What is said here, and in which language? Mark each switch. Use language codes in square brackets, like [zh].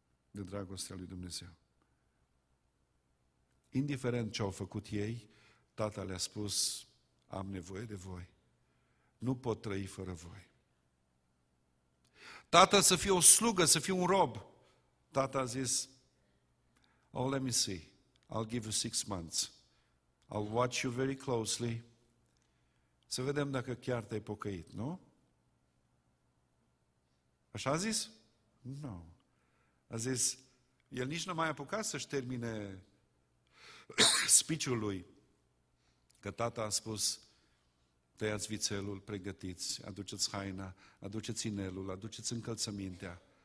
[ro] De dragostea lui Dumnezeu. Indiferent ce au făcut ei, tata le-a spus, am nevoie de voi, nu pot trăi fără voi. Tata să fie o slugă, să fie un rob. Tata a zis, [en] oh, let me see, I'll give you 6 months. I'll watch you very closely. [ro] Să vedem dacă chiar te-ai pocăit, nu? Așa a zis? Nu. No. A zis, el nici nu mai apucat să-și termine spiciul lui, că tata a spus, tăiați vițelul, pregătiți, aduceți haina, aduceți inelul, aduceți încălțămintea.